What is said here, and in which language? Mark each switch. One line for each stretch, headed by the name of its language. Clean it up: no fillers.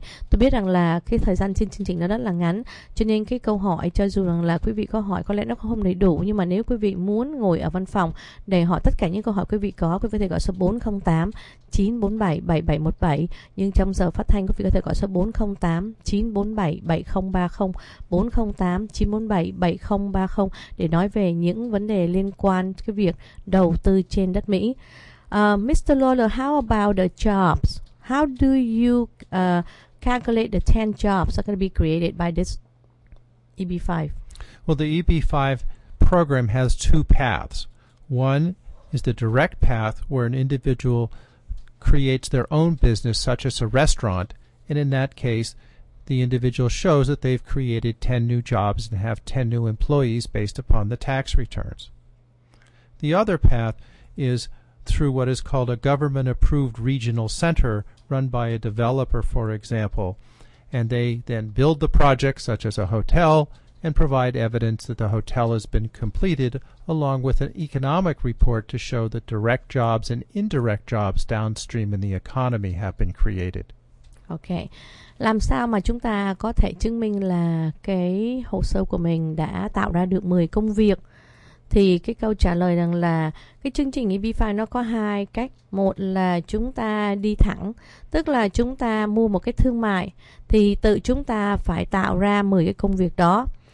Vietnamese: Tôi biết rằng là cái thời gian trên chương trình nó rất là ngắn, cho nên cái câu hỏi, cho dù rằng là quý vị có hỏi có lẽ nó không đầy đủ, nhưng mà nếu quý vị muốn ngồi ở văn phòng để hỏi tất cả những câu hỏi quý vị có, quý vị có thể gọi số 408-947-7717. Nhưng trong giờ phát thanh, quý vị có thể gọi số 408-947-7030, 408-947-7030 để nói về những vấn đề liên quan cái việc đầu tư trên đất Mỹ.
English: Mr. Lawler, how about the jobs? How do you calculate the 10 jobs that are going to be created by this EB-5? Well, the EB-5 program has two paths. One is the direct path where an individual creates their own business, such as a restaurant, and in that case, the individual shows that they've created 10 new jobs and have 10 new employees based upon the tax returns. The other path is through what is called a government-approved regional center run by a developer, for example, and they then build the project, such as a hotel, and provide evidence that the hotel has been completed, along with an economic report to show that direct jobs and indirect jobs downstream in the economy have been created. Okay.
Vietnamese: Làm sao mà chúng ta có thể chứng minh là cái hồ sơ của mình đã tạo ra được 10 công việc? Thì cái câu trả lời rằng là cái chương trình EB-5 nó có hai cách. Một là chúng ta đi thẳng, tức là chúng ta mua một cái thương mại thì tự chúng ta phải tạo ra 10 cái công việc đó.